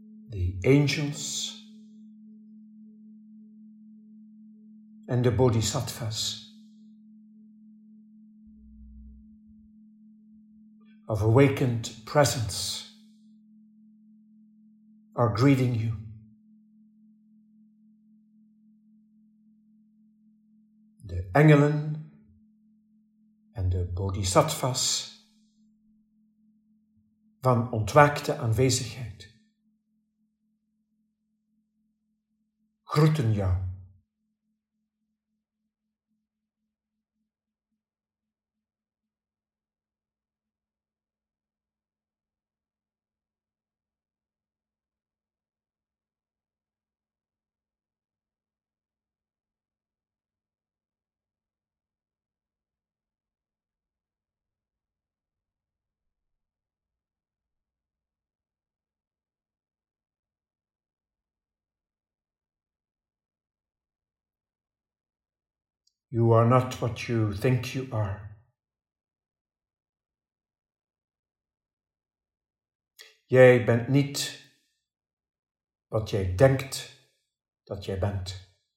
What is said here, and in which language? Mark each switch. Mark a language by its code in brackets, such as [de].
[en] the angels, and the bodhisattvas of awakened presence are greeting you. The [nl] engelen [en] and the [nl] bodhisattvas van ontwaakte aanwezigheid groeten jou. [en] You are not what you think you are. [nl] Jij bent niet wat jij denkt dat jij bent.